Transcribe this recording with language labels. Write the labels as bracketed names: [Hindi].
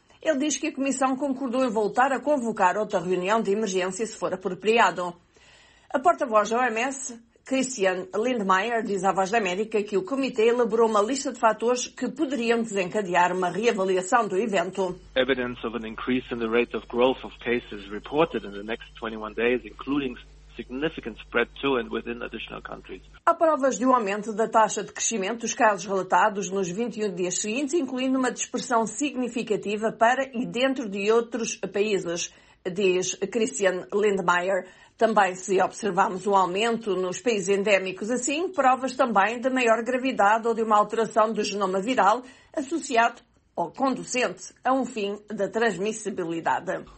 [Portuguese] Ele diz que a Comissão concordou em voltar a convocar outra reunião de emergência se for apropriado. A porta-voz da OMS, Christian Lindmeier, diz à Voz da América que o comitê elaborou uma lista de fatores que poderiam desencadear uma reavaliação do evento. [English] Evidence of an increase in the rate of growth of cases reported in the next 21 days, including significant spread to and within additional countries. [Portuguese] Há provas de um aumento da taxa de crescimento dos casos relatados nos 21 dias seguintes, incluindo uma dispersão significativa para e dentro de outros países, diz Christian Lindmeier. Também se observamos um aumento nos países endémicos, assim, provas também de maior gravidade ou de uma alteração do genoma viral associado ou conducente a um fim da transmissibilidade.